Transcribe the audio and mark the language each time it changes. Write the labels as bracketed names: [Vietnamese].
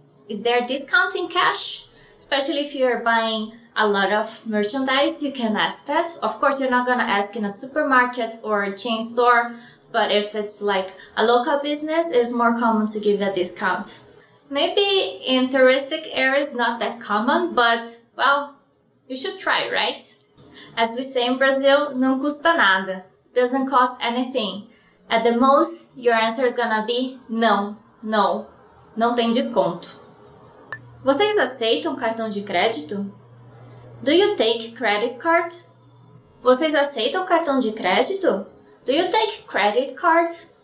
[English] Is there a discount in cash? Especially if you're buying a lot of merchandise, you can ask that. Of course, you're not gonna ask in a supermarket or a chain store, but if it's like a local business, it's more common to give a discount. Maybe in touristic areas, not that common, but well, you should try, right? As we say in Brazil, [Portuguese] não custa nada. [English] Doesn't cost anything. At the most, your answer is gonna be no, no. [Portuguese] Não tem desconto. Vocês aceitam cartão de crédito? [English] Do you take credit card? [Portuguese] Vocês aceitam cartão de crédito? [English] Do you take credit card?